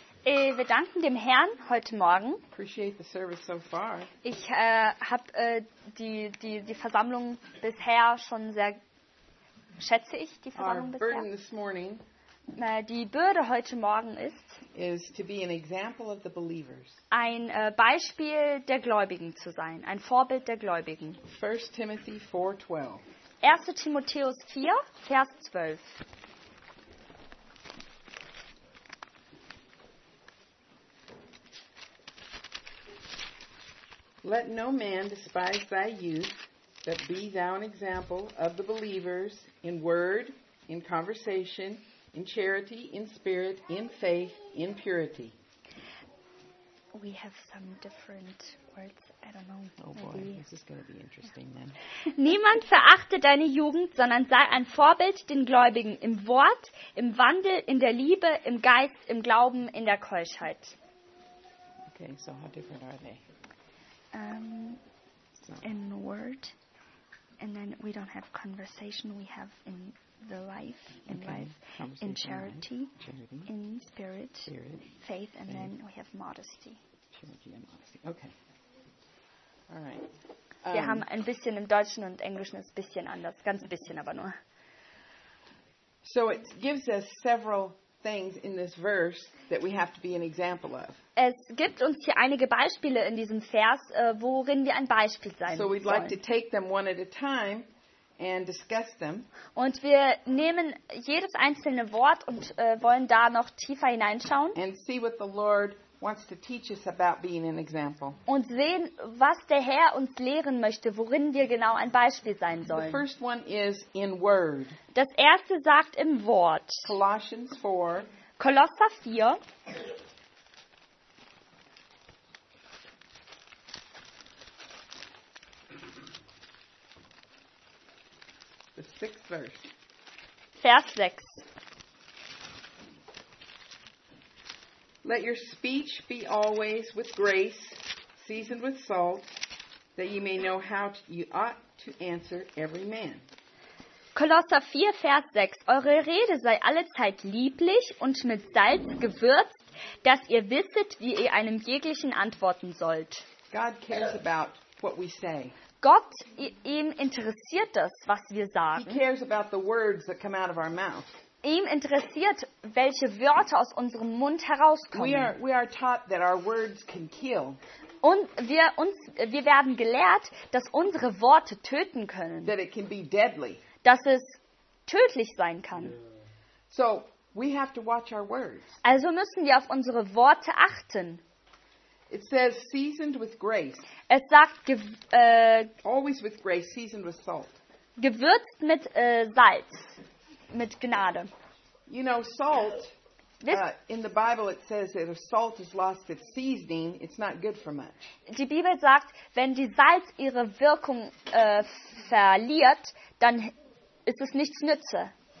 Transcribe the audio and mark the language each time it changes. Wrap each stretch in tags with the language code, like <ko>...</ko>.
<de>Wir danken dem Herrn heute Morgen.</de> <en>Appreciate the service so far.</en> <de>Ich habe die Versammlung bisher schon sehr, schätze ich die Versammlung</de> <en>Our</en> <de>bisher.</de> <en>Burden this morning</en> <de>die Bürde heute Morgen ist,</de> <en>is to be an example of the believers.</en> <de>Ein Beispiel der Gläubigen zu sein, ein Vorbild der Gläubigen.</de> <en>1 Timothy 4:12.</en> <de>1. Timotheus 4, Vers 12.</de> <en>Let no man despise thy youth, but be thou an example of the believers in word, in conversation, in charity, in spirit, in faith, in purity. We have some different words. I don't know. Oh boy, this is going to be interesting then.</en> <de>Niemand verachte deine Jugend, sondern sei ein Vorbild den Gläubigen im Wort, im Wandel, in der Liebe, im Geist, im Glauben, in der Keuschheit.</de> <en>Okay, so how different are they? In word, and then we don't have conversation, we have in the life, in okay. life, in charity, charity, in spirit, spirit. Faith, and then we have modesty. Charity and modesty, okay. All right.</en> <de>Wir haben ein bisschen im Deutschen und Englischen ist ein bisschen anders, ganz ein bisschen aber nur.</de> <en>So it gives us several things in this verse that we have to be an example of.</en> <de>Es gibt uns hier einige Beispiele in diesem Vers, worin wir ein Beispiel sein sollen.</de> <en>So we'd like to take them one at a time and discuss them.</en> <de>Und wir nehmen jedes einzelne Wort und wollen da noch tiefer hineinschauen.</de> <en>And see what the Lord wants to teach us about being an example.</en> <de>Und sehen, was der Herr uns lehren möchte, worin wir genau ein Beispiel sein sollen.</de> <en>The first one is in word.</en> <de>Das erste sagt im Wort.</de> <en>Colossians 4.</en> <de>Kolosser 4.</de> <en>The sixth verse.</en> <de>Vers 6.</de> <en>Let your speech be always with grace, seasoned with salt, that you may know how you ought to answer every man.</en> <de>Kolosser 4, Vers 6. Eure Rede sei allezeit lieblich und mit Salz gewürzt, dass ihr wisset, wie ihr einem jeglichen antworten sollt.</de> <en>God cares about what we say.</en> <de>Gott, ihm interessiert das, was wir sagen.</de> <en>He cares about the words that come out of our mouth.</en> <de>Ihm interessiert, welche Wörter aus unserem Mund herauskommen.</de> <en>We are taught that our words can kill.</en> <de>Und wir werden gelehrt, dass unsere Worte töten können.</de> <en>That it can be deadly.</en> <de>Dass es tödlich sein kann.</de> <en>So we have to watch our words.</en> <de>Also müssen wir auf unsere Worte achten.</de> <en>It says seasoned with grace.</en> <de>Es sagt</de> <en>always with grace, seasoned with salt.</en> <de>Gewürzt mit Salz. Mit Gnade.</de> <en>You know, salt, in the Bible it says that if salt has lost its seasoning, it's not good for much.</en> <de>Die Bibel sagt, wenn die Salz ihre Wirkung verliert, dann ist es nichts Nütze.</de>